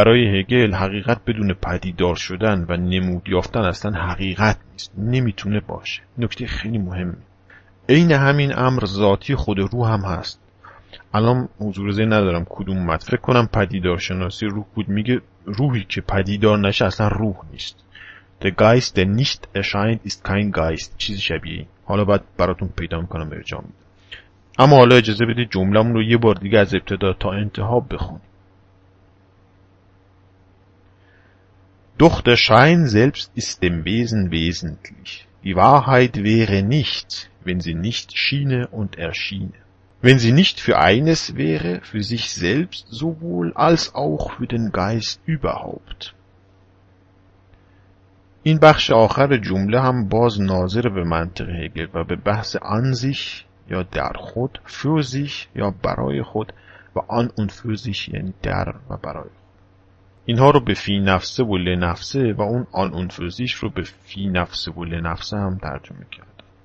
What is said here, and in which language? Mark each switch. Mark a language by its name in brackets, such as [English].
[Persian] برای هگل حقیقت بدون پدیدار شدن و نمود یافتن اصلا حقیقت نیست، نمی تونه باشه. نکته خیلی مهمه. این همین امر ذاتی خود روح هم هست. الان حضور ذهن ندارم کدوم مد، فکر کنم پدیدارشناسی روح بود، میگه روحی که پدیدار نشه اصلا روح نیست. [German] The Geist der nicht erscheint ist kein Geist، [Persian] چیزی شبیه این. حالا بعد براتون پیدا میکنم ارجاع میدم. اما حالا اجازه بدید جمله‌مون رو یه بار دیگه از ابتدا تا انتها بخونیم. [German] Doch der Schein selbst ist dem Wesen wesentlich. Die Wahrheit wäre nicht, wenn sie nicht schiene und erschiene. Wenn sie nicht für eines wäre, für sich selbst sowohl als auch für den Geist überhaupt. [Persian] این بخش آخر جمله هم باز ناظر به منطق هگل و به بحث آن سیخ یا در خود، فور سیخ یا برای خود و آن اون فور سیخ یعنی در و برای خود. اینها رو به فی نفسه و لنفسه و اون آن اون فور سیخ رو به فی نفسه و لنفسه هم ترجمه کرد.